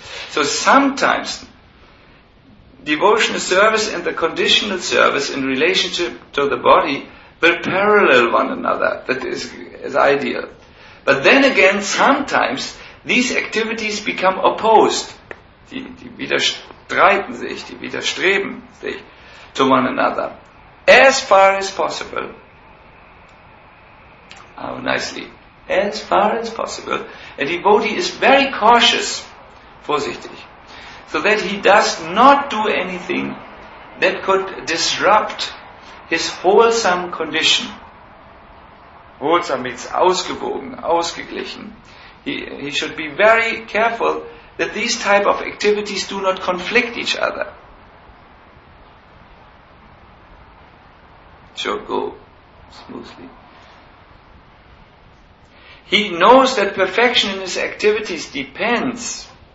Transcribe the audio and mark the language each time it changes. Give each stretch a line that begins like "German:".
English: So sometimes devotional service and the conditional service in relationship to the body will parallel one another. That is ideal. But then again, sometimes these activities become opposed.
German: Die widerstreiten sich, die widerstreben sich
English: to one another. As far as possible, how nicely, as far as possible, a devotee is very cautious, vorsichtig, so that he does not do anything that could disrupt his wholesome condition. Wholesome means
German: ausgewogen, ausgeglichen.
English: He should be very careful that these type of activities do not conflict each other. It should go smoothly. He knows that perfection in his activities depends